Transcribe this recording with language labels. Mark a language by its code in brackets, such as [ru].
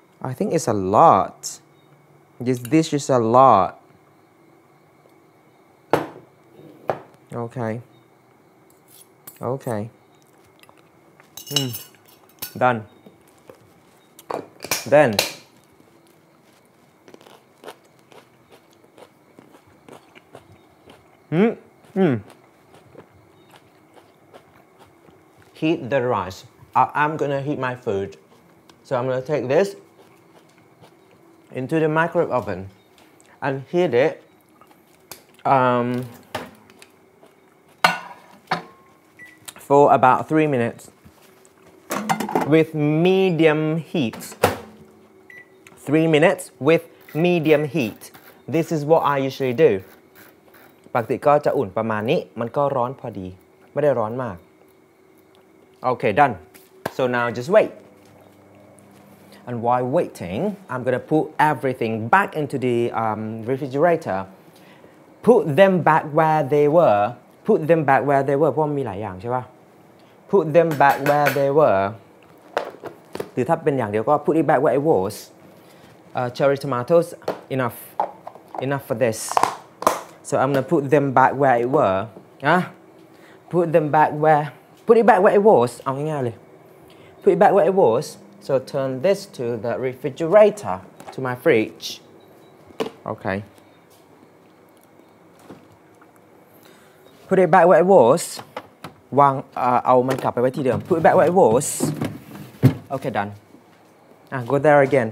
[en] I think it's a lot this is a lot okay done thenHeat the rice. I'm gonna heat my food. So I'm going to take this into the microwave oven and heat it. For about 3 minutes with medium heat. 3 minutes with medium heat. This is what I usually do. [th] ปกติก็จะอุ่นประมาณนี้มันก็ร้อนพอดีไม่ได้ร้อนมาก [en] Okay, done. So now just wait. And while waiting, I'm gonna put everything back into the refrigerator. Put them back where they were. Put them back where they were. [th] เพราะมีหลายอย่างใช่ป่ะ [en] Put them back where they were. [th] หรือถ้าเป็นอย่างเดียวก็ [en] put it back where it was. Cherry tomatoes, enough. Enough for this. So I'm gonna put them back where it were. Huh? Put them back where... Put it back where it was. [th] เอาง่ายๆเลย [en] Put it back where it was. So turn this to the refrigerator. To my fridge. Okay. Put it back where it was. [th] วางเอามันกลับไปไว้ที่เดิม [en] Put it back where it was. Okay, done. Go there again.